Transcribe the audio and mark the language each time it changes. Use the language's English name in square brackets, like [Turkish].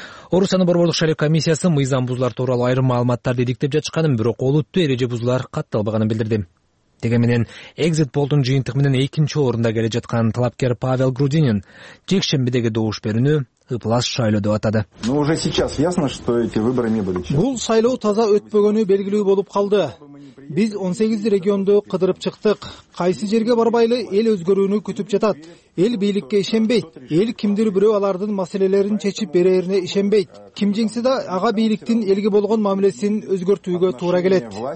[Kyrgyz] Орусиянын борбордук шайлоо комиссиясы мыйзам бузуулар тууралуу айрым маалыматтарды иликтеп жатышканын, бирок олуттуу эреже бузуулар катталбаганын билдирди. Деген менен экзит полдун жыйынтыгы менен экинчи орунда келе жаткан талапкер Павел Грудинин жекшембидеги добуш берүүнү ыплас шайлоо деп атады. [Russian] Ну уже сейчас ясно, что эти выборы не были честными. [Kyrgyz] Бул шайлоо таза өтпөгөнү белгилүү болуп калды. Биз 18 региондо кыдырып чыктык. Кайсы жерге барбайлы эл өзгөрүүнү күтүп жатат. Эл бийликке ишенбейт. Эл кимдир бирөө алардын маселелерин чечип берерине ишенбейт. Ким жеңсе да ага бийликтин элге болгон мамилесин өзгөртүүгө туура келет.